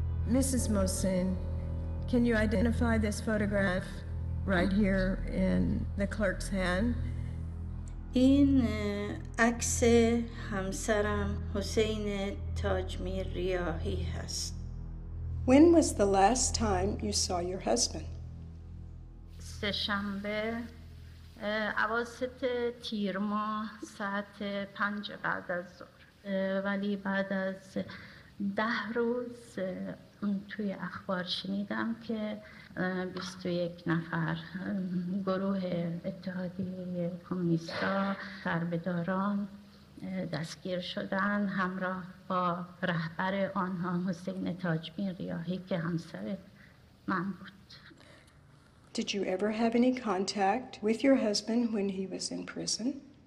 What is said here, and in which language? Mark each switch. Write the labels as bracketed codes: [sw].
[en] Mrs. Mohsin, can you identify this photograph? right here in the clerk's hand. [fa] این عکس همسرم حسین تاجمیر ریاهی هست. [en] When was the last time you saw your husband? [fa] سه شنبه اواسط تیر ماه ساعت 5 بعد از ظهر. ولی بعد از 10 روز توی اخبار شنیدم که 21 نفر گروه اتحادیه کمونیستا سربداران دستگیر شدن همراه با رهبر آنها حسین تاجمیر ریاهی که همسر من بود. [en] Did you ever have any contact with your husband when he was in prison?